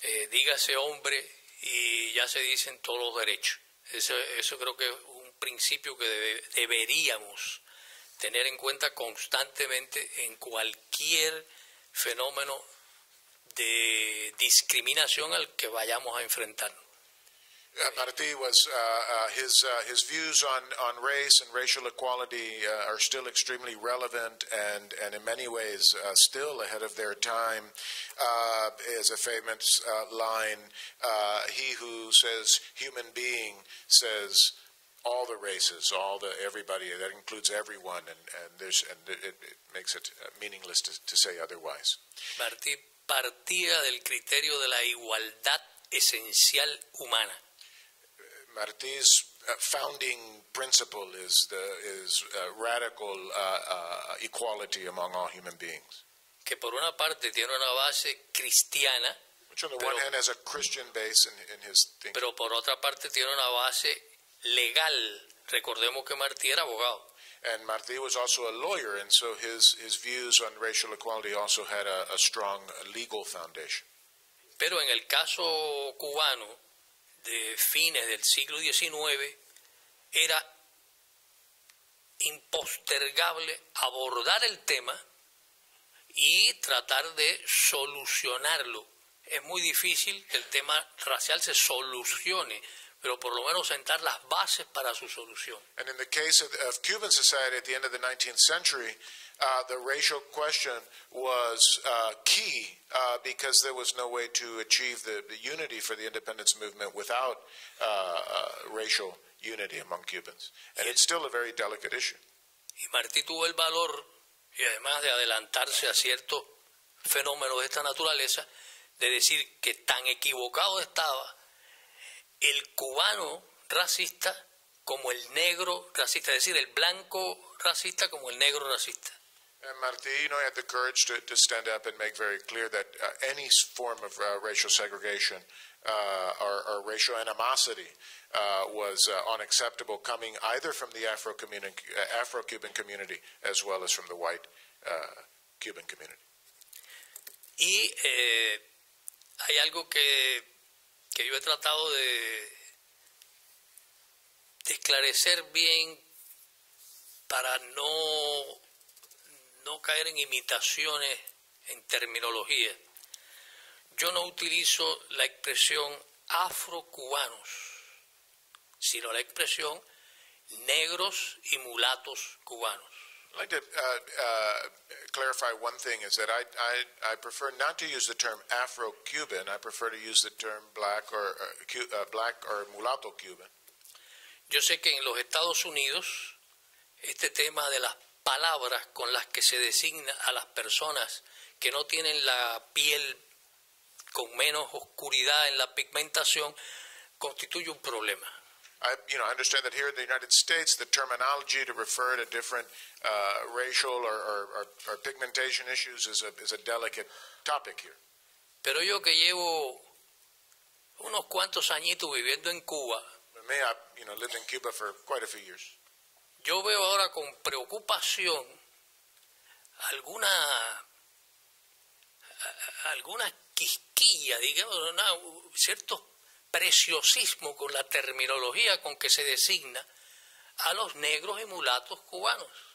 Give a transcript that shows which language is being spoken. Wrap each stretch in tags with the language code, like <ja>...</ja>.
<es>Dígase hombre y ya se dicen todos los derechos. Eso creo que es un principio que deberíamos tener en cuenta constantemente en cualquier fenómeno de discriminación al que vayamos a enfrentarnos.</es> <en>Martí was his views on race and racial equality are still extremely relevant and in many ways still ahead of their time. Is a famous line. He who says human being says all the races, everybody, that includes everyone, and it makes it meaningless to say otherwise.</en> <es>Martí partía del criterio de la igualdad esencial humana.</es> <en>Martí's founding principle is radical equality among all human beings.</en> <es>Que por una parte tiene una base cristiana,</es> <en>which on the one hand has a Christian base in his thinking.</en> <es>Pero por otra parte tiene una base legal. Recordemos que Martí era abogado.</es> <en>And Martí was also a lawyer, and so his views on racial equality also had a strong legal foundation.</en> <es>Pero en el caso cubano de fines del siglo XIX, era impostergable abordar el tema y tratar de solucionarlo. Es muy difícil que el tema racial se solucione, pero por lo menos sentar las bases para su solución.</es> <en>And in the case of Cuban society at the end of the 19th century, the racial question was key because there was no way to achieve the unity for the independence movement without racial unity among Cubans. And it's still a very delicate issue.</en> <es>Y Martí tuvo el valor, y además de adelantarse a cierto fenómeno de esta naturaleza, de decir que tan equivocado estaba el cubano racista como el negro racista, es decir, el blanco racista como el negro racista.</es> <en>Martí, you know, had the courage to stand up and make very clear that any form of racial segregation or racial animosity was unacceptable coming either from the Afro-Cuban community as well as from the white Cuban community.</en> <es>Y hay algo que yo he tratado de esclarecer bien para no caer en imitaciones en terminología, yo no utilizo la expresión afrocubanos, sino la expresión negros y mulatos cubanos.</es> <en>I'd like to clarify one thing, is that I prefer not to use the term Afro-Cuban. I prefer to use the term black or mulatto Cuban.</en> <es>Yo sé que en los Estados Unidos este tema de las palabras con las que se designa a las personas que no tienen la piel con menos oscuridad en la pigmentación constituye un problema.</es> <en>I understand that here in the United States, the terminology to refer to different racial or pigmentation issues is a delicate topic here.</en> <es>Pero yo que llevo unos cuantos añitos viviendo en Cuba.</es> <en>But me, I lived in Cuba for quite a few years.</en> <es>Yo veo ahora con preocupación alguna quisquilla, digamos, ciertos preciosismo con la terminología con que se designa a los negros y mulatos cubanos.</es>